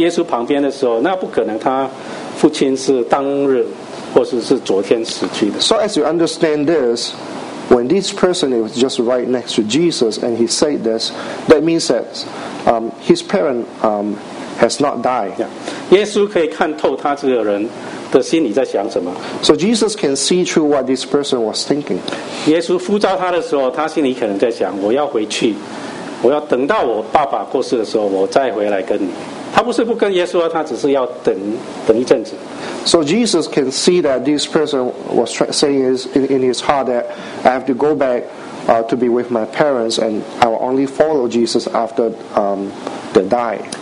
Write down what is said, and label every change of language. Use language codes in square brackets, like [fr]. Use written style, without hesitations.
[zh] 我们看到这人，他既然是在耶稣旁边的时候，那不可能他 [en] So as you understand this, when this person is just right next to Jesus and he said this, that means that his parent has not died. Yeah. So Jesus can see through what this person was thinking. [zh] 耶稣呼召他的时候，他心里可能在想，我要回去，我要等到我爸爸过世的时候，我再回来跟你。他不是不跟耶稣啊，他只是要等等一阵子。 [en] So Jesus can see that this person was saying in his heart that I have to go back to be with my parents, and I will only follow Jesus after they die.